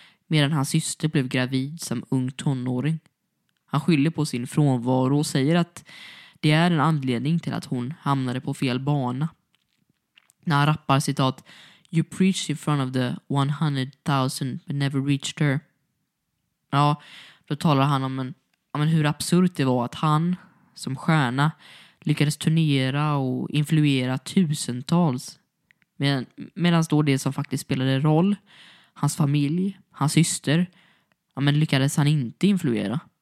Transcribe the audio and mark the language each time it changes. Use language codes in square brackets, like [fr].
[sv] Medan hans syster blev gravid som ung tonåring. Han skyller på sin frånvaro och säger att det är en anledning till att hon hamnade på fel bana. När han rappar citat, [en] "You preached in front of the 100,000 but never reached her." [sv] Ja, då talar han om hur absurt det var att han som stjärna lyckades turnera och influera tusentals. Medan då det som faktiskt spelade roll, hans familj, hans syster, lyckades han inte influera.